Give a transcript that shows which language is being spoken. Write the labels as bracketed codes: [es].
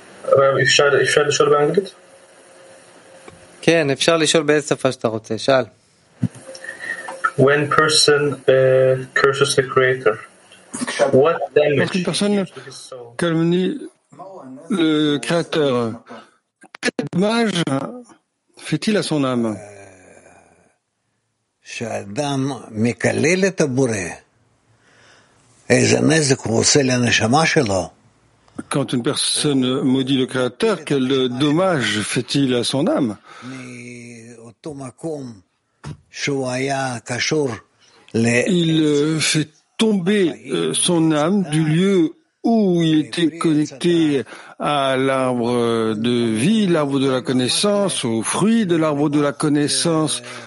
[he] Rav, אפשר לשאול באנגלית? כן, אפשר לשאול באיזה שפה שאתה רוצה, שאל. [en] When person curses the creator, [fr] Parce qu'une personne, comme dit le Créateur, quel dommage fait-il à son âme? [he] שאדם מקלל את הבורא, איזה נזק הוא עושה לנשמה שלו. [fr] Quand une personne maudit le Créateur, quel dommage fait-il à son âme? [he] מאותו מקום שהוא היה קשור ל... [fr] Il fait tomber son âme du lieu où il était connecté à l'arbre de vie, l'arbre de la connaissance, au fruit de l'arbre de la connaissance.